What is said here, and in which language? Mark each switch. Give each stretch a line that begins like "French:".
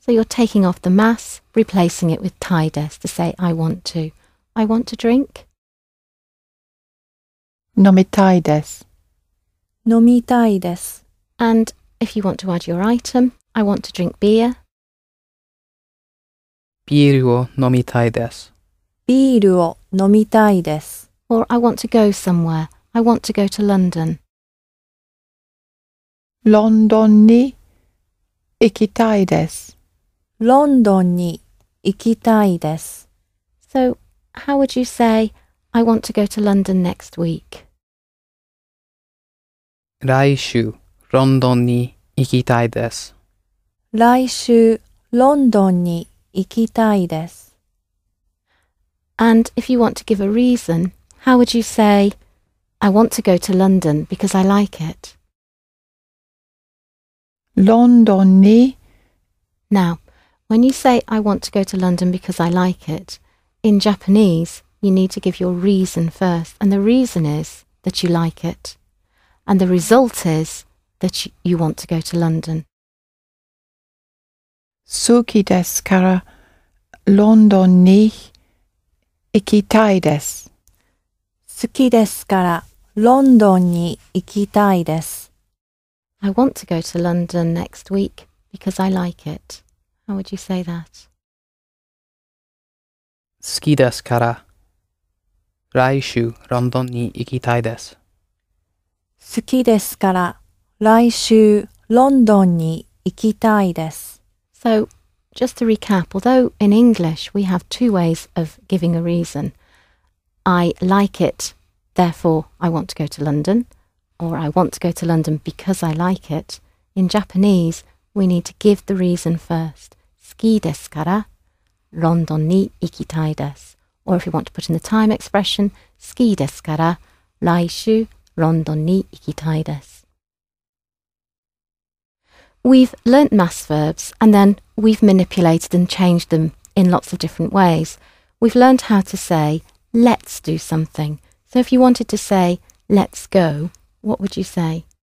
English: So you're taking off the mas, replacing it with たいです to say I want to. I want to drink.
Japanese: 飲みたいです。飲みたいです。
English: And if you want to add your item, I want to drink beer.
Japanese: ビールを飲みたいです。ビールを飲みたいです。
English: Or I want to go somewhere. I want to go to London.
Japanese: ロンドンに行きたいです。ロンドンに行きたいです。
English: So, how would you say, I want to go to London next week?
Japanese: 来週、ロンドンに行きたいです。来週、ロンドンに行きたいです。
English: And if you want to give a reason, how would you say, I want to go to London because I like it?
Japanese: ロンドンに
English: Now, when you say I want to go to London because I like it, in Japanese, you need to give your reason first. And the reason is that you like it. And the result is that you want to go to London.
Japanese: 好きですから、ロンドンに行きたいです。好きですから、ロンドンに行きたいです。
English: I want to go to London next week because I like it. How would you say that?
Japanese: 好きですから、来週ロンドンに行きたいです。好きですから、来週ロンドンに行きたいです。
English: So, just to recap, although in English we have two ways of giving a reason. I like it, therefore I want to go to London. Or I want to go to London because I like it. In Japanese, we need to give the reason first.
Japanese: 好きですから、ロンドンに行きたいです。
English: Or if you want to put in the time expression,
Japanese: 好きですから、来週、ロンドンに行きたいです。
English: We've learnt mass verbs, and then we've manipulated and changed them in lots of different ways. We've learnt how to say, let's do something. So if you wanted to say, let's go,What would you say?